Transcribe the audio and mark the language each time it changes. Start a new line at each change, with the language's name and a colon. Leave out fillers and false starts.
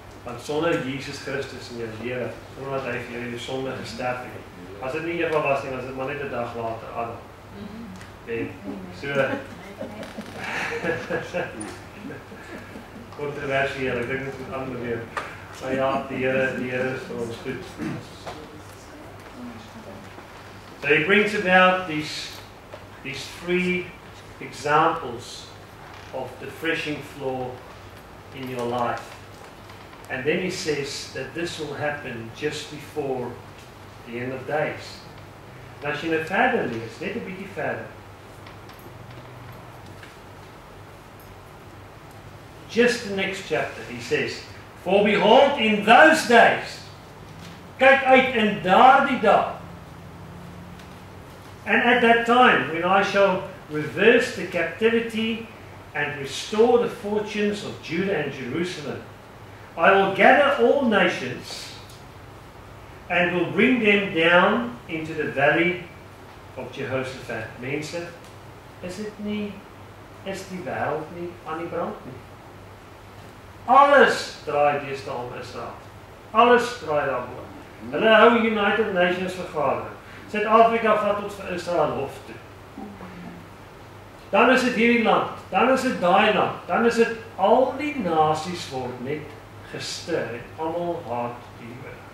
Afrikaans: Want sonder Jesus Christus in jou lewe, sonder dat hy vir jou die sonde gesterf het, as dit nie Eva was nie, was dit maar net 'n dag later, Adam. En so, controversieel, ek dink dit moet ander weer. Maar ja, die Here is vir ons goed.
English: So he brings about these three examples of the threshing floor in your life. And then he says that this will happen just before the end of days.
Afrikaans: Nou as jy nou verder lees, net 'n bietjie verder.
English: Just the next chapter, he says, for behold, in those days,
Afrikaans: kyk uit in daardie dag,
English: and at that time, when I shall reverse the captivity and restore the fortunes of Judah and Jerusalem, I will gather all nations and will bring them down into the valley of Jehoshaphat.
Afrikaans: Mense, is dit nie, is die wêreld nie aan die brand nie? Alles draai deesdae om Israel. alle stryd daarbo. Hulle hou United Nations vergadering. Suid-Afrika vat ons vir Israel hof toe. Dan is dit hierdie land, dan is dit daai land, dan is dit al die nasies word net gestir en almal haat die Here.